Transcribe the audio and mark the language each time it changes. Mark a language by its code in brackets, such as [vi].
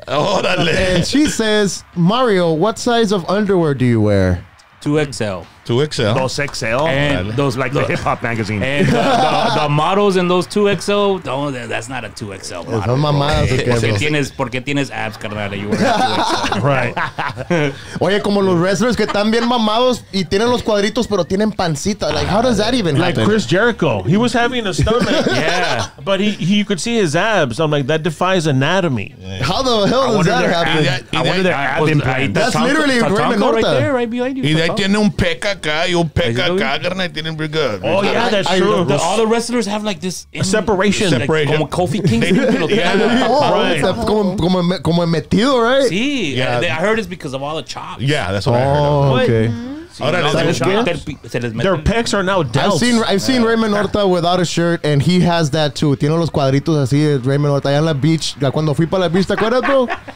[en] Oh, that lit. And she says, "Mario, what size of underwear do you wear?" 2XL. 2XL. 2XL. And those, like the hip hop magazine. And the models in those 2XL, that's not a 2XL model. [es] No mamadas, porque tienes abs, carnal. [en] You wear a 2XL. Right. [es] Oye, como los wrestlers que están bien mamados y tienen los cuadritos, pero tienen pancita. [en] Like, how does that even happen? Like Chris Jericho. He was having a stomach. Yeah. But he you could see his abs. I'm like, that defies anatomy. Yeah. How the hell does that happen? That's literally a great Tonko right there, right behind you. [es] Y de ahí tiene un peca. [en] Oh yeah, that's true. All the wrestlers have like this separation. [es] Como Kofi Kingston. Como metido, [en] right? [es] Sí. [en] Yeah. I heard it's because of all the chops. Yeah, that's what I heard. Oh, okay. Their pecs are now delts. I've seen Raymond Horta without a shirt, and he has that too. [es] Tiene los cuadritos así, Raymond Horta, allá en la beach. Cuando fui para la beach, ¿te acuerdas, bro?